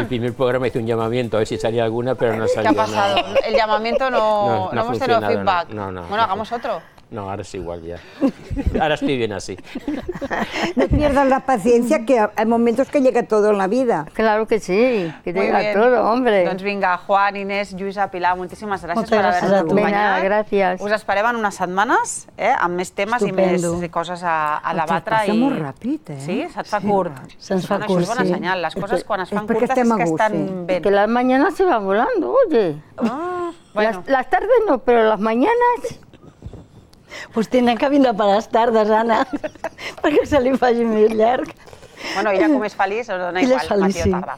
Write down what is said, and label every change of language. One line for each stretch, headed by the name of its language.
Spanish: El primer programa hice un llamamiento, a ver si salía alguna, pero no salía. ¿Qué ha pasado? No. El llamamiento no hemos tenido feedback. No. Bueno, hagamos otro. No, ahora es igual ya. Ahora estoy bien así. No pierdas la paciencia, que hay momentos que llega todo en la vida. Claro que sí, que muy llega bien. Todo, hombre.
Catalan: Doncs vinga, Juan, Inés, Lluïsa, Pilar, moltíssimes gràcies per haver-nos acompanyat. Vinga, gràcies. Us esperem en unes setmanes, amb més temes.
Spanish: Estupendo.
Catalan: I més coses a debatre. Passa molt ràpid, Sí? Se't fa curt. Se'ns fa curt, això és bona senyal. Les coses, quan es fan curtes, és que estem a gust, estan ben.
Spanish: Que la mañana se va volando, oye. Ah, bueno. Las tardes no, pero las mañanas...
Catalan: Pues tindran que vindre per les tardes, Anna, perquè se li faci més llarg. Bueno, ella com és feliç, us dona igual, matí o tarda.